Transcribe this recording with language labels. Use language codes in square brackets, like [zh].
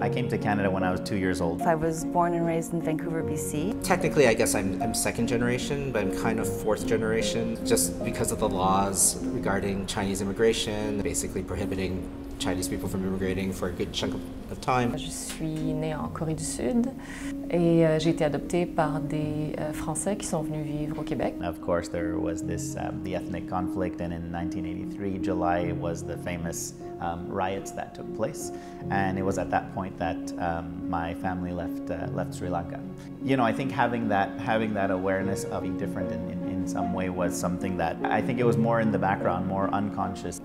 [en] I came to Canada when I was 2 years old. I was born and raised in Vancouver, BC. Technically, I guess I'm second generation, but I'm kind of fourth generation, just because of the laws regarding Chinese immigration, basically prohibiting Chinese people from immigrating for a good chunk of time. [fr] Je suis née en Corée du Sud et j'ai été adoptée par des Français qui sont venus vivre au Québec. [en] Of course, there was this the ethnic conflict, and in 1983, July was the famous riots that took place, and it was at that point that my family left Sri Lanka. You know, I think having that awareness of being different in some way was something that I think it was more in the background, more unconscious.